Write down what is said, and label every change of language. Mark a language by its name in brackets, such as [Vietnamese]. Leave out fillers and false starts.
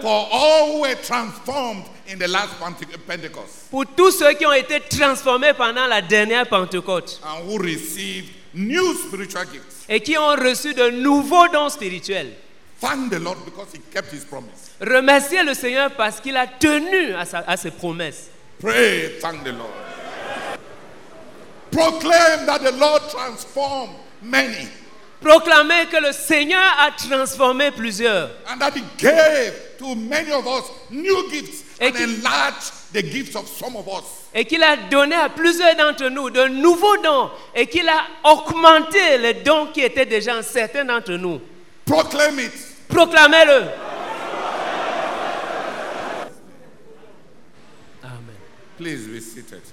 [English] For all who were transformed in the last Pentecost. [French] Pour tous ceux qui ont été transformés pendant la dernière Pentecôte. [English] And who received new spiritual gifts. [French] Et qui ont reçu de nouveaux dons spirituels. [English] Thank the Lord because he kept his promise. [French] Remerciez le Seigneur parce qu'il a tenu à ses promesses. [English] Pray, thank the Lord. Proclaim that the Lord transformed many. [French] Proclamez que le Seigneur a transformé plusieurs. [English] And that he gave to many of us new gifts and enlarged the gifts of some of us. [French] Et qu'il a donné à plusieurs d'entre nous de nouveaux dons et qu'il a augmenté les dons qui étaient déjà en certains d'entre nous. [English] Proclaim it. [French] Proclamez-le. [English] Amen. Please be seated.